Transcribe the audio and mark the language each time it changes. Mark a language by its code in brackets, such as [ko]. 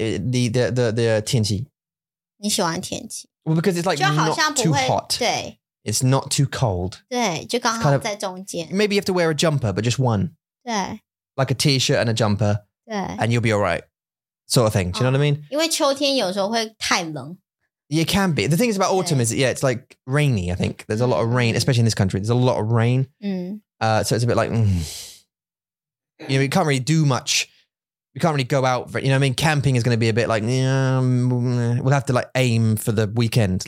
[zh] The天气. 你喜欢天气? [en] Well, because it's like not too hot. [zh] 对. [en] It's not too cold. [zh] 对,就刚好在中间. [en] Maybe you have to wear a jumper, but just one. [zh] 对. [en] Like a t-shirt and a jumper. [zh] 对. [en] And you'll be all right. Sort of thing. Do you know what I mean? [zh] 因为秋天有时候会太冷. [en] It can be. The thing is about autumn is, it's like rainy, I think. There's a lot of rain, especially in this country. There's a lot of rain. So it's a bit like, you know, you can't really do much. You can't really go out. For, you know what I mean? Camping is going to be a bit like, we'll have to like aim for the weekend.